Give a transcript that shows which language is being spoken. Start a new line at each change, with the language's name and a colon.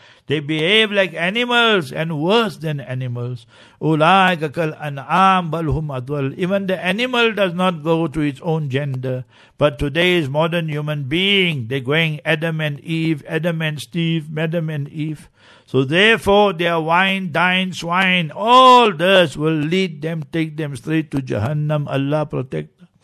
English: They behave like animals and worse than animals.
Arabic: أُولَٰئِكَ كَالْأَنْعَامُ بَلْ هُمْ أَضَلُّ.
English: Even the animal does not go to its own gender. But today's modern human being, they're going Adam and Eve, Adam and Steve, Madam and Eve. So therefore, their wine, dine, swine, all this will lead them, take them straight to Jahannam. Allah protect.